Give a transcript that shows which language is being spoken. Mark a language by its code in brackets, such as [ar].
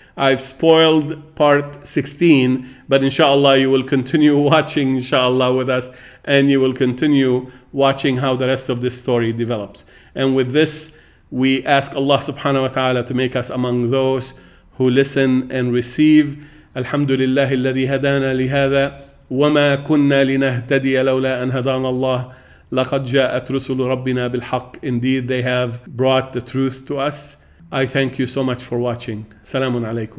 [en] I've spoiled part 16, but inshallah, you will continue watching inshallah with us, and you will continue watching how the rest of this story develops. And with this, we ask Allah subhanahu wa ta'ala to make us among those who listen and receive. [ar] Alhamdulillah, الذي هدانا لهذا وما كنا لنهتدي لولا أن هدانا الله لقد جاءت رسل ربنا بالحق. [en] Indeed, they have brought the truth to us. I thank you so much for watching. Salamun alaikum.